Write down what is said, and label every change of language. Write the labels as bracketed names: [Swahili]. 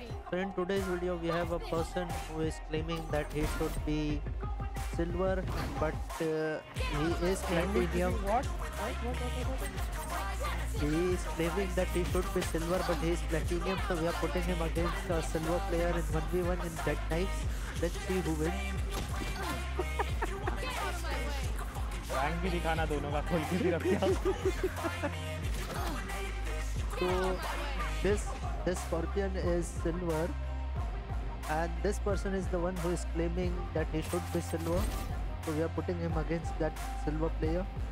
[English] So in today's video we have a person who is claiming that he should be silver, but he is platinum. What? He is claiming that he should be silver, but he is platinum. So we are putting him against a silver player in 1v1 in Jett Knives. Let's see who wins. [Hindi] Rank भी दिखाना दोनों का, खोल के भी रख दिया. [English] So this scorpion is silver. And this person is the one who is claiming that he should be silver. So we are putting him against that silver player.